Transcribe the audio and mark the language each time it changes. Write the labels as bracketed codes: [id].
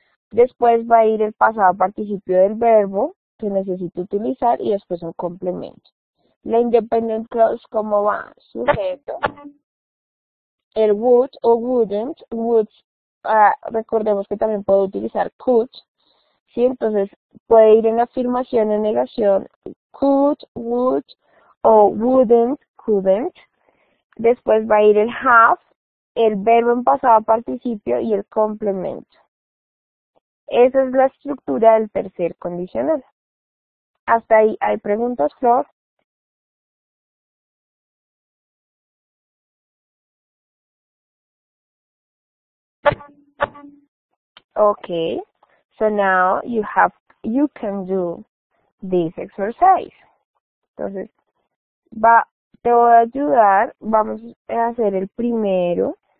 [es] Después va a ir el pasado participio del verbo que necesito utilizar y después un complemento. La independent clause, ¿cómo va? Sujeto. El would o wouldn't. Would, recordemos que también puedo utilizar could. ¿Sí? Entonces puede ir en afirmación o negación. [en] Could, would o wouldn't, couldn't. [es] Después va a ir el have, el verbo en pasado participio y el complemento. Esa es la estructura del tercer condicional. Hasta ahí, ¿hay preguntas, Flor? [en] Okay. So now you can do this exercise. [es] Entonces, te voy a ayudar. Vamos a hacer el primero.